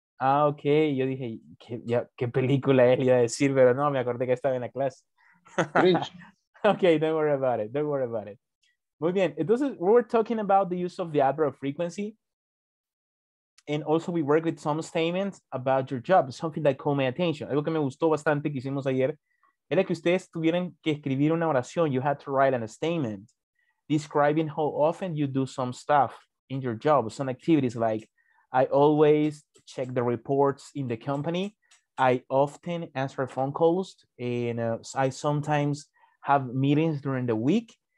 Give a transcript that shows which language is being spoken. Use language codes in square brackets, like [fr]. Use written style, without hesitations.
[es] Ah, okay, yo dije, ¿qué película él iba a decir? Pero no, me acordé que estaba en la clase. [en] Okay, don't worry about it. [es] Muy bien, entonces, [en] we were talking about the use of the adverb frequency. And also we work with some statements about your job, something that caught my attention. [es] Algo que me gustó bastante que hicimos ayer era que ustedes tuvieran que escribir una oración. [en] You had to write a statement describing how often you do some stuff in your job, some activities like, I always check the reports in the company. I often answer phone calls. And I sometimes have meetings during the week.